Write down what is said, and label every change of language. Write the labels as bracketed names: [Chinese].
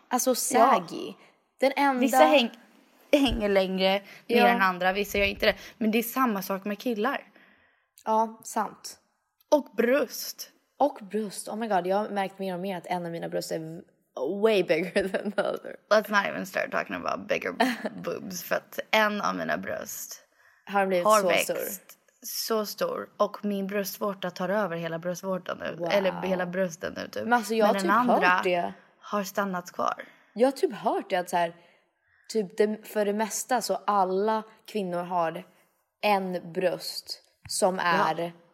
[Swedish] Alltså saggy. Ja. Den enda... Vissa hänger längre mer än andra, vissa gör inte det. Men det är samma sak med killar. Ja, sant. Och bröst. Och bröst. [English] Oh my god, [Swedish] jag har märkt mer och mer att en av mina bröst är [English] way bigger than the other. Let's not even start talking about bigger boobs. [Swedish] För att en av mina bröst har blivit har så växt, stor. Så stor. Och min bröstvårta tar över hela bröstvårtan nu. Wow. Eller hela brösten nu typ. Men, alltså, jag men typ den andra hört det. Har stannat kvar. Jag har typ hört det att så här, typ det, för det mesta så alla kvinnor har en bröst som är... Ja.